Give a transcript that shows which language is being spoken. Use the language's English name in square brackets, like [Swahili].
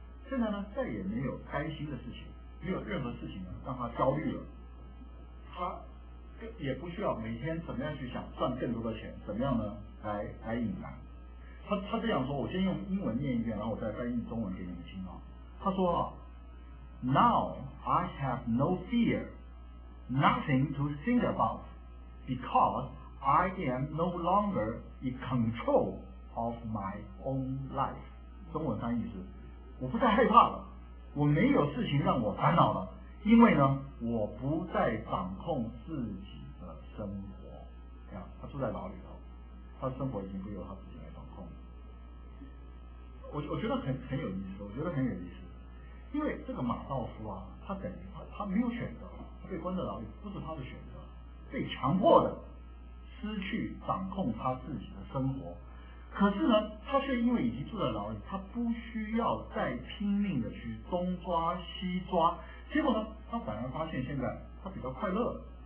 [Chinese] 现在呢再也没有开心的事情，没有任何事情呢让他焦虑了，他也不需要每天怎么样去想赚更多的钱，怎么样呢来隐瞒。他这样说，我先用英文念一遍，然后我再翻译中文给你们听啊。他说啊， [English] Now I have no fear, nothing to think about, because I am no longer in control of my own life。 [Chinese] 中文翻译是我不再害怕了，我没有事情让我烦恼了，因为呢我不再掌控自己的生活。他住在牢里头，他的生活已经不由他自己来掌控了。我觉得很有意思，我觉得很有意思，因为这个马道夫啊，他等于他没有选择，他被关在牢里不是他的选择，被强迫的失去掌控他自己的生活，可是呢，他却因为已经住在牢里，他不需要再拼命的去东抓西抓，结果呢，他反而发现现在他比较快乐。